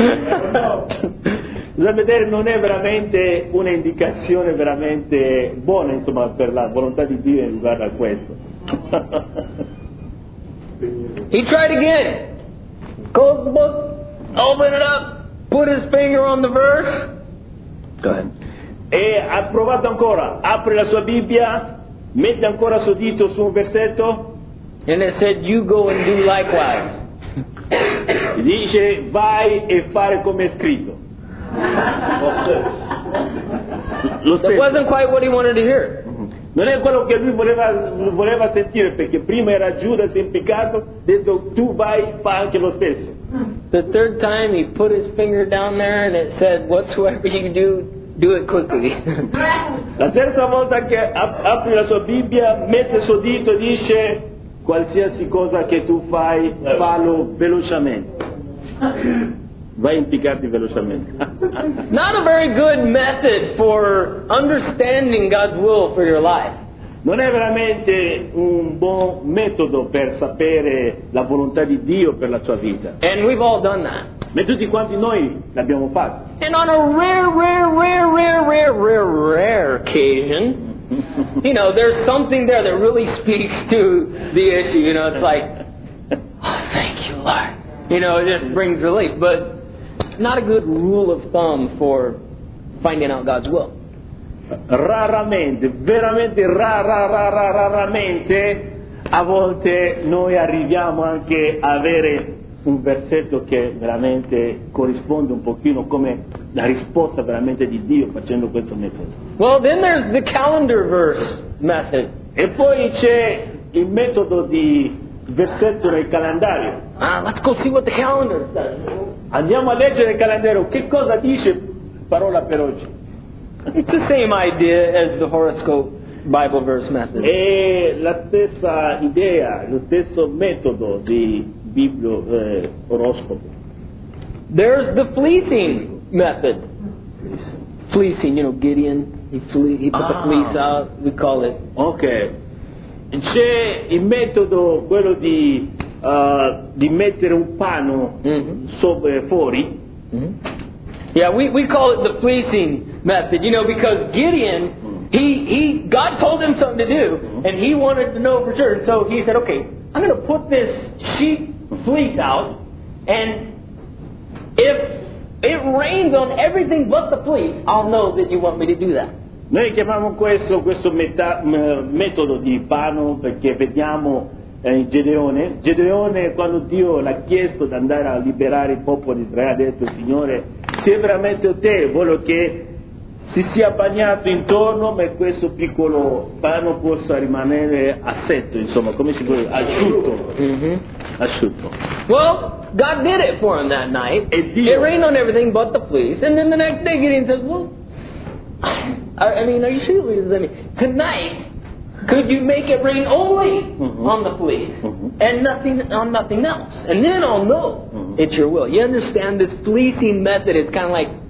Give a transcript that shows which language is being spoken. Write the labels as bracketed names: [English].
[Italian] Bisogna vedere, non è veramente una indicazione veramente buona, insomma, per la volontà di Dio riguardo a questo. [English] He tried again. Closed the book, opened it up, put his finger on the verse. Go ahead. [Italian] E ha provato ancora, apre la sua Bibbia, mette ancora suo dito su un versetto. [English] And it said, you go and do likewise. [Italian] E dice, vai e fare come è scritto. [English] It wasn't quite what he wanted to hear. [Italian] Non è quello che lui voleva sentire, perché prima era Giuda, si è impiccato, ha detto tu vai, fa anche lo stesso. [English] The third time he put his finger down there and it said, whatsoever you do, do it quickly. [Italian] La terza volta che apre la sua Bibbia, mette il suo dito e dice, qualsiasi cosa che tu fai, fallo velocemente. Vai impiccarti velocemente. [English] Not a very good method for understanding God's will for your life. [Italian] Non è veramente un buon metodo per sapere la volontà di Dio per la tua vita. [English] And we've all done that. [Italian] Ma tutti quanti noi l'abbiamo fatto. [English] And on a rare occasion, you know, there's something there that really speaks to the issue. You know, it's like, oh, thank you, Lord. You know, it just brings relief. But not a good rule of thumb for finding out God's will. [Italian] Raramente, veramente raramente, a volte noi arriviamo anche a avere un versetto che veramente corrisponde un pochino come la risposta veramente di Dio facendo questo metodo. [English] Well, then there's the calendar verse method. [Italian] E poi c'è il metodo di versetto nel calendario. [English] Let's go see what the calendar says. [Italian] Andiamo a leggere il calendario. Che cosa dice parola per oggi? [English] It's the same idea as the horoscope Bible verse method. [Italian] È la stessa idea, lo stesso metodo di Bibbia oroscopo. [English] There's the fleecing method. Fleecing, you know, Gideon, he put the fleece out. We call it. Okay. [Italian] C'è il metodo quello di mettere un panno sopra fuori. Mm-hmm. [English] Yeah, we call it the fleecing method, you know, because Gideon, he God told him something to do, and he wanted to know for sure. And so he said, okay, I'm going to put this sheep fleece out, and if it rains on everything but the fleece, I'll know that you want me to do that. [Italian] Noi chiamiamo questo metodo di panno perché vediamo Gedeone, quando Dio l'ha chiesto di andare a liberare il popolo di Israele, ha detto, Signore, se veramente te voglio che si sia bagnato intorno, ma questo piccolo panno possa rimanere asetto, insomma, come si può dire, asciutto. Mm-hmm. Asciutto. [English] Well, God did it for him that night. [Italian] E Dio, [English] it rained on everything but the fleece. And then the next day, Gideon says, well, I mean, are you sure? I mean, tonight, could you make it rain only on the fleece and nothing on nothing else? And then I'll know it's your will. You understand this fleecing method is kind of like